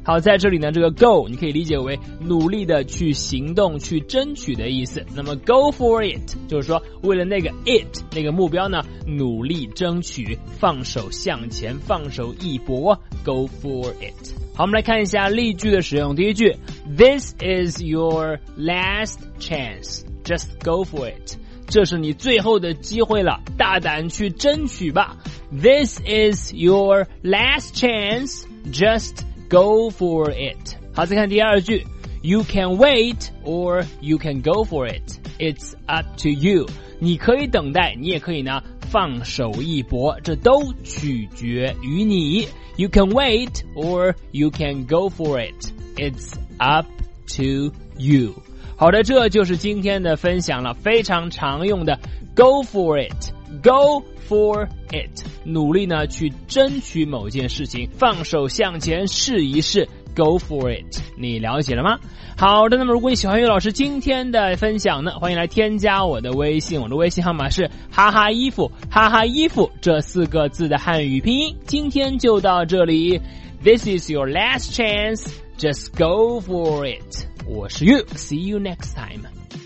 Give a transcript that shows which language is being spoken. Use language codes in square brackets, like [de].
[zh] 好，在这里呢，这个 go 你可以理解为努力的去行动，去争取的意思。那么 go for it 就是说为了那个 it 那个目标呢，努力争取，放手向前，放手一搏， go for it。好，我们来看一下例句的使用。第一句， [en] This is your last chance, just go for it. [zh] 这是你最后的机会了，大胆去争取吧。 [en] This is your last chance, just go for it. [zh] 好，再看第二句， [en] You can wait or you can go for it. It's up to you. [zh] 你可以等待，你也可以呢放手一搏，这都取决于你。 [en] You can wait or you can go for it. It's up to you. [zh] 好的，这就是今天的分享了，非常常用的 go for it, go for it. 努力呢去争取某件事情，放手向前试一试， go for it. 你了解了吗？好的，那么如果你喜欢岳老师今天的分享呢，欢迎来添加我的微信，我的微信号码是哈哈衣服，哈哈衣服这四个字的汉语拼音。今天就到这里， [en] This is your last chance, just go for it. 我是 you, see you next time.